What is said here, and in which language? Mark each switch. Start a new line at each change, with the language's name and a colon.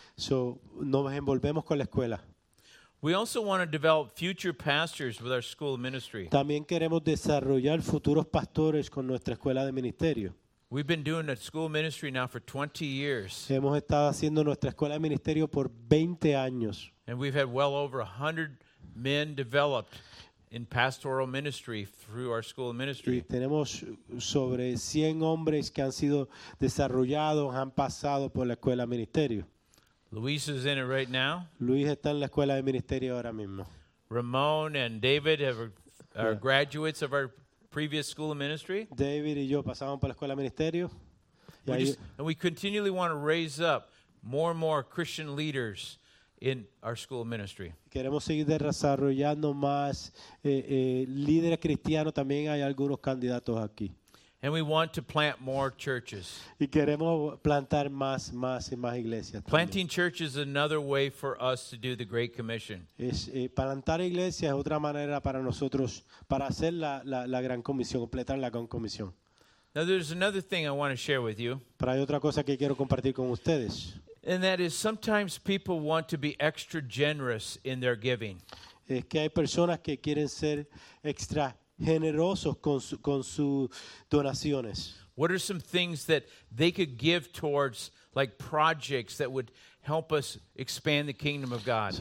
Spanish: So nos envolvemos con la escuela.
English: We also want to develop future pastors with our school ministry.
Spanish: También queremos desarrollar futuros pastores con nuestra escuela de ministerio.
English: We've been doing a school ministry now for 20 years.
Spanish: Hemos estado haciendo nuestra escuela de ministerio por 20 años.
English: And we've had well over 100 men developed in pastoral ministry through our school ministry.
Spanish: Y tenemos sobre 100 hombres que han sido desarrollados, han pasado por la escuela de ministerio.
English: Luis is in it right now.
Spanish: Luis está en la escuela de ministerio ahora mismo.
English: Ramon and David are graduates of our previous school of ministry.
Spanish: David y yo pasamos por la escuela de ministerio.
English: And we continually want to raise up more and more Christian leaders in our school of ministry.
Spanish: Queremos seguir desarrollando más líderes cristianos. También hay algunos candidatos aquí.
English: And we want to plant more churches.
Spanish: Y queremos plantar más, más y más iglesias.
English: Planting Churches is another way for us to do the Great Commission.
Spanish: Plantar iglesias es otra manera para nosotros para hacer la gran comisión, completar la gran comisión.
English: Now there's another thing I want to share with you.
Spanish: Pero hay otra cosa que quiero compartir con ustedes.
English: And that is sometimes people want to be extra generous in their giving.
Spanish: Es que hay personas que quieren ser extra generosos con sus donaciones.
English: What are some things that they could give towards, like projects that would help us expand the kingdom of God?